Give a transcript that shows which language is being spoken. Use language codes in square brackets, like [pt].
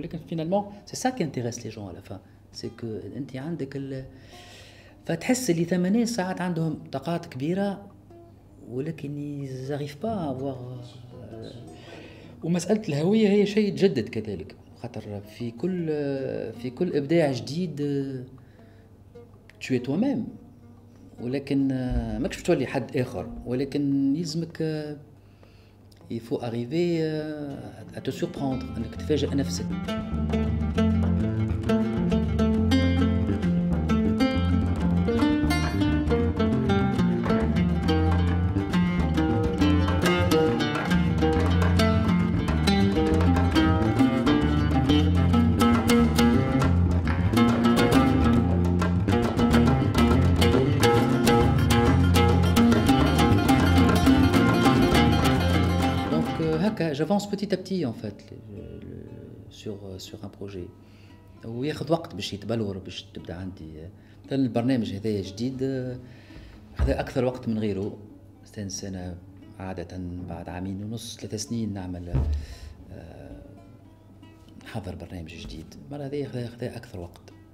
[fr] Finalement, c'est ça qui intéresse les gens à la fin. C'est que tu as [ar] فتحس اللي ثمانية ساعات عندهم طاقات كبيرة ولكن [fr] ils n'arrivent pas à avoir. [ar] ومسألة الهوية هي شيء يتجدد كذلك. خاطر في كل ابداع جديد [fr] tu es toi-même [ar] ولكن ماكش بتولي حد اخر، ولكن يلزمك يفو اريفي اتو سوربروندر، انك تفاجئ نفسك. [fr] J'avance petit à petit en fait sur un projet. Il y a du temps pour évoluer, pour débuter [ar] عندي. [fr] Le programme [ar] هذا جديد خذ اكثر وقت من غيره. استنى سنه عاده بعد عامين ونص ثلاث سنين نعمل حضر برنامج جديد. المره هذه خذ اكثر وقت.